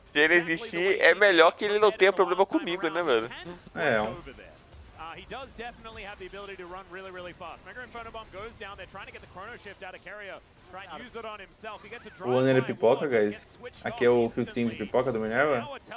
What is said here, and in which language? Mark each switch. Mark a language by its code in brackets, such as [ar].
[pt] Se ele existir, é melhor que ele não tenha problema comigo, né, mano? É. [en] He does definitely have the ability to run really, really fast. Mega Inferno Bomb goes down. They're trying to get the Chrono Shift out of Carrier. Trying to use it on himself. He gets a drop. [pt] O Onner é pipoca, guys. Aqui é o Kill Team de pipoca do Minerva.